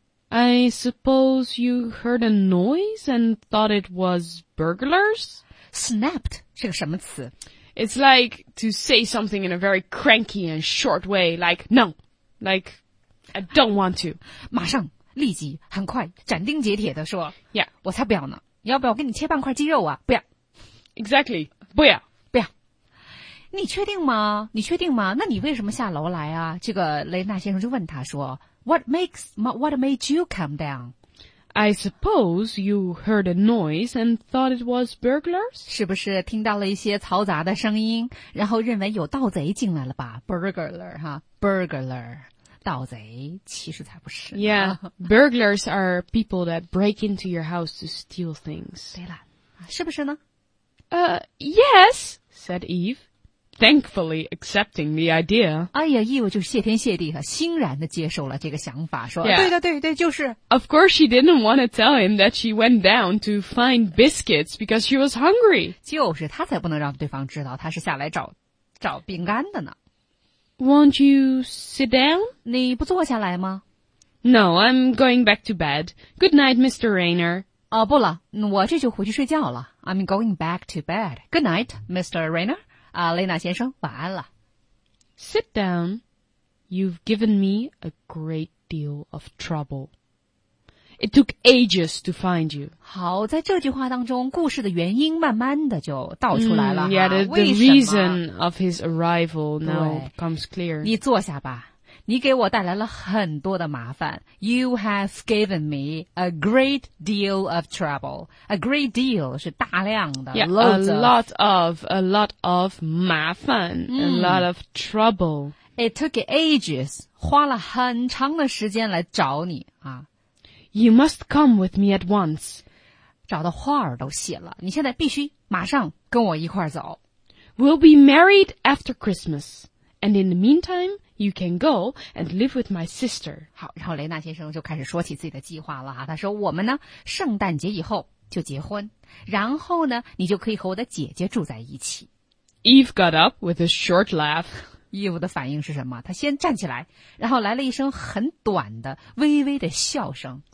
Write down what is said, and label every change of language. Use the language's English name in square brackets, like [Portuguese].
[English] I suppose you heard a noise and thought it was burglars? [Chinese] Snapped, 是个什么词？ [English] It's like to say something in a very cranky and short way, like, no, like, I don't want to. [Chinese] 马上，立即，很快，斩钉截铁地说。 [English] Yeah. [Chinese] 我才不要呢。要不要我给你切半块鸡肉啊？不要。 [English] Exactly. [Chinese] 不要。不要。你确定吗？你确定吗？那你为什么下楼来啊？这个雷纳先生就问他说 [English] What made you come down? I suppose you heard a noise and thought it was burglars? [Chinese] 是不是听到了一些嘈杂的声音，然后认为有盗贼进来了吧 ？Burglar 哈 ，burglar， 盗贼其实才不是。 [English] Yeah, burglars are people that break into your house to steal things. [Chinese] 对了，是不是呢 [English] ？Yes, said Eve, thankfully accepting the idea. [Chinese] 哎呀 ，Eve 就谢天谢地哈，欣然地接受了这个想法，说、 [English] yeah. [Chinese] 对的，对对，就是。 [English] Of course, she didn't want to tell him that she went down to find biscuits because she was hungry. [Chinese] 就是她才不能让对方知道她是下来找饼干的呢。 [English] Won't you sit down? [Chinese] 你不坐下来吗 [English] ？No, I'm going back to bed. Good night, Mr. Rayner. [Chinese] 哦，不了，我这就回去睡觉了。 [English] I'm going back to bed. Good night, Mr. Rayner. [Chinese] 啊，雷纳先生，晚安了。 [English] Sit down. You've given me a great deal of trouble. It took ages to find you. [Chinese] 好，在这句话当中，故事的原因慢慢的就道出来了。 [English] Yeah, the reason of his arrival now comes clear. [Chinese] 你坐下吧，你给我带来了很多的麻烦。 [English] You have given me a great deal of trouble. A great deal [Chinese] 是大量的 [English] ，yeah, a lot of 麻烦 ，a lot of trouble. It took ages, [Chinese] 花了很长的时间来找你啊。 [English] You must come with me at once. [Chinese] 找的话儿都写了，你现在必须马上跟我一块儿走。 [English] We'll be married after Christmas, and in the meantime, you can go and live with my sister. [Chinese] 好，然后雷纳先生就开始说起自己的计划了啊。他说：“我们呢，圣诞节以后就结婚，然后呢，你就可以和我的姐姐住在一起。” [English] Eve got up with a short laugh. [Chinese] Eve 的反应是什么？他先站起来，然后来了一声很短的微微的笑声。